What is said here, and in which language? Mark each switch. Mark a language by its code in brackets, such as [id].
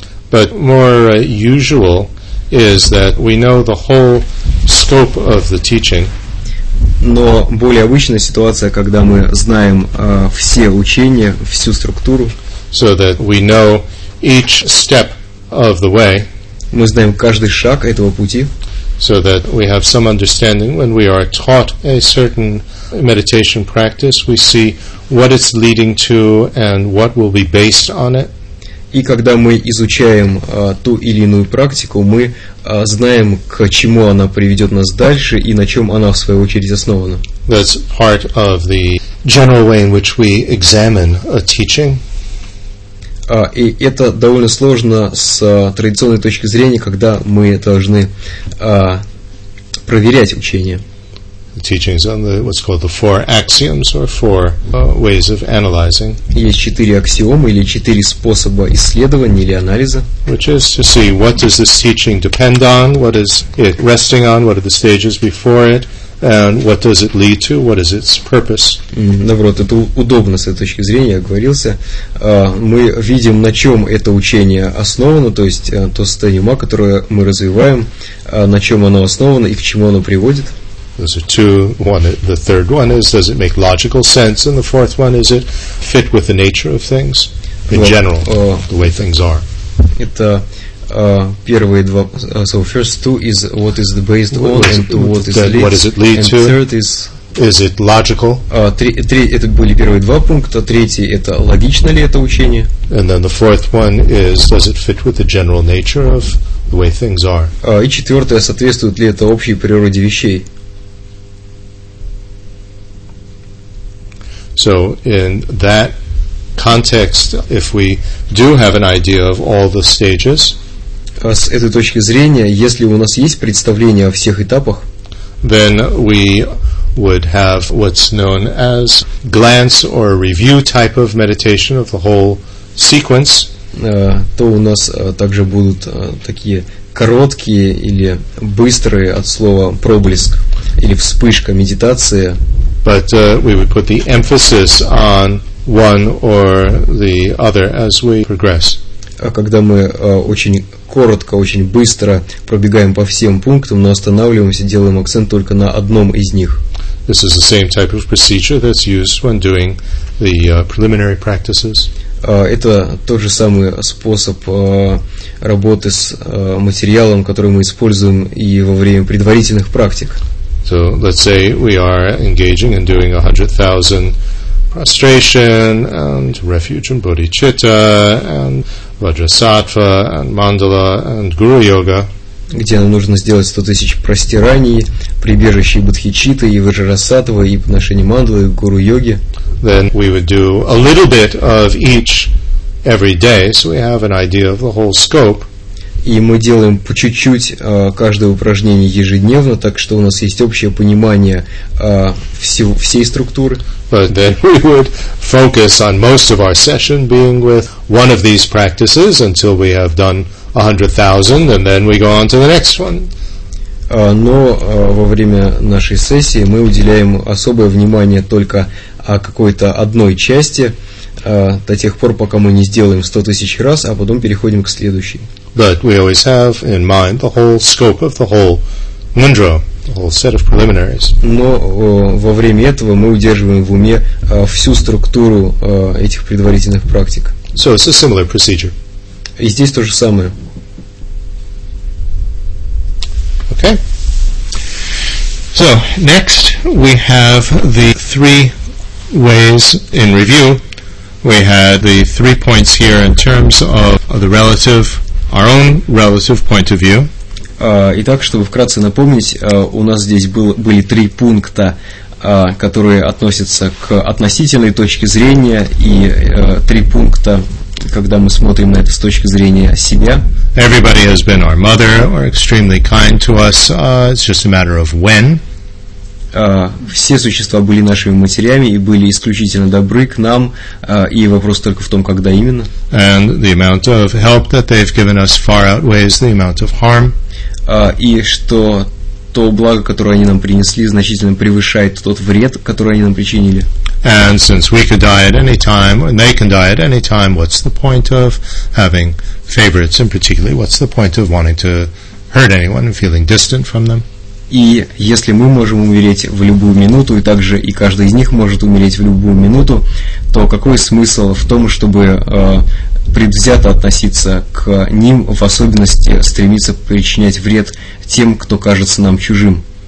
[en] But more usual is that we know the whole scope of the teaching. [ru] Но более обычная ситуация, когда мы знаем все учения, всю структуру. [en] So that we know each step of the way. [ru] Мы знаем каждый шаг этого пути. [en] So that we have some understanding when we are taught a certain meditation practice, we see what it's leading to and what will be based on it. [ru] И когда мы изучаем ту или иную практику, мы знаем, к чему она приведет нас дальше и на чем она, в свою очередь, основана. [en] That's part of the general way in which we examine a teaching. [ru] И это довольно сложно с традиционной точки зрения, когда мы должны проверять учение. [en] Teachings on the, what's called the four axioms or four ways of analyzing. [ru] Есть четыре аксиомы или четыре способа исследования или анализа. [en] Which is to see what does this teaching depend on, what is it resting on, what are the stages before it, and what does it lead to, what is its purpose. [ru] Наоборот, это удобно с этой точки зрения, я оговорился. Мы видим, на чем это учение основано, то есть то состояние ума, которое мы развиваем, на чем оно основано и к чему оно приводит. [en] Those are two. One, the third one is, does it make logical sense? And the fourth one, is it fit with the nature of things in general, the way things are? [ru] Это первые два. [en] So first two is what is the based on, and what does it lead to? And third is, is it logical? [ru] Три это были первые два пункта. Третий это логично ли это учение? [en] And then the fourth one is, does it fit with the general nature of the way things are? [ru] И четвертое, соответствует ли это общей природе вещей? [en] So in that context, if we do have an idea of all the stages, [ru] с этой точки зрения, если у нас есть представление о всех этапах, [en] then we would have what's known as glance or review type of meditation of the whole sequence. [ru] То у нас также будут такие короткие или быстрые от слова проблеск или вспышка медитации. [en] But we would put the emphasis on one or the other as we progress. [ru] А когда мы очень коротко, очень быстро пробегаем по всем пунктам, но останавливаемся, делаем акцент только на одном из них. [en] This is the same type of procedure that's used when doing the preliminary practices. [ru] Это тот же самый способ работы с материалом, который мы используем и во время предварительных практик. [en] So let's say we are engaging in doing 100,000 prostration and refuge in bodhicitta and vajrasattva and mandala and guru yoga. [ru] Где нам нужно сделать 100 тысяч простираний, прибежище бодхичитты и вижрасаттвы, и подношение мандалы, и гуру йоги. [en] Then we would do a little bit of each every day, so we have an idea of the whole scope. [ru] И мы делаем по чуть-чуть каждое упражнение ежедневно, так что у нас есть общее понимание всей структуры. [en] But then we would focus on most of our session being with one of these practices until we have done 100,000, and then we go on to the next one. [ru] Но во время нашей сессии мы уделяем особое внимание только какой-то одной части до тех пор, пока мы не сделаем 100 тысяч раз, а потом переходим к следующей. [en] But we always have in mind the whole scope of the whole mudra, the whole set of preliminaries. [ru] Но во время этого мы удерживаем в уме всю структуру этих предварительных практик. [en] So it's a similar procedure. [ru] И здесь то же самое. [en] Okay. So, next we have the three ways in review. We had the three points here in terms of the relative, our own relative point of view. [ru] Итак, чтобы вкратце напомнить, у нас здесь были три пункта, которые относятся к относительной точке зрения, и три пункта, когда мы смотрим на это с точки зрения себя. [en] Everybody has been our mother or extremely kind to us. It's just a matter of when. [ru] Все существа были нашими матерями и были исключительно добры к нам, и вопрос только в том, когда именно. [en] And the amount of help that they've given us far outweighs the amount of harm. [ru] И что то благо, которое они нам принесли, значительно превышает тот вред, который они нам причинили. [en] And since we could die at any time, and they can die at any time, what's the point of having favorites, and particularly, what's the point of wanting to hurt anyone and feeling distant from them? [ru] И если мы можем умереть в любую минуту, и также и каждый из них может умереть в любую минуту, то какой смысл в том, чтобы предвзято относиться к ним, в особенности стремиться причинять вред тем, кто кажется нам чужим?